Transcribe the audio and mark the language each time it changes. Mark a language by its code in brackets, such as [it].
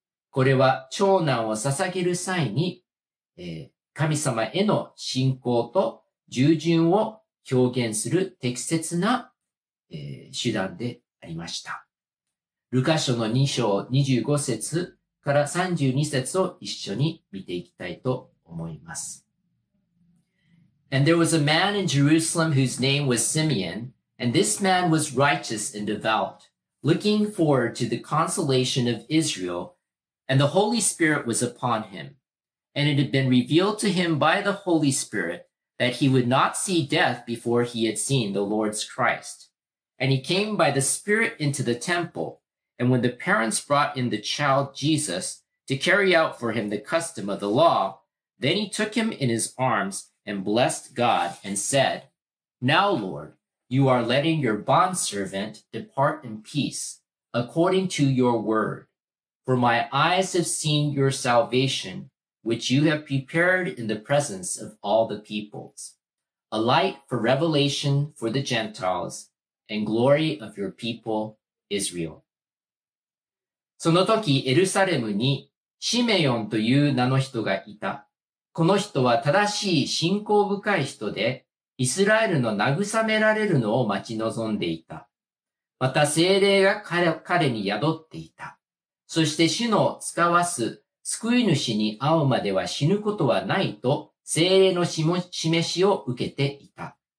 [ja] これは長男を捧げる際に、神様への信仰と従順を表現する適切な、手段で、ありました。ルカ書の2章25節から32節を一緒に見ていきたいと思います。 [en] And there was a man in Jerusalem whose name was Simeon, and this man was righteous and devout, looking forward to the consolation of Israel, and the Holy Spirit was upon him. And it had been revealed to him by the Holy Spirit that he would not see death before he had seen the Lord's Christ. And he came by the Spirit into the temple. And when the parents brought in the child Jesus to carry out for him the custom of the law, then he took him in his arms and blessed God and said, "Now, Lord, you are letting your bondservant depart in peace according to your word. For my eyes have seen your salvation, which you have prepared in the presence of all the peoples, a light for revelation for the Gentiles and glory of your people, Israel." [ja] その時エルサレムにシメヨンという名の人がいた。この人は正しい信仰深い人で、イスラエルの慰められるのを待ち望んでいた。また聖霊が彼に宿っていた。そして主の使わす救い主に会うまでは死ぬことはないと聖霊の示しを受けていた。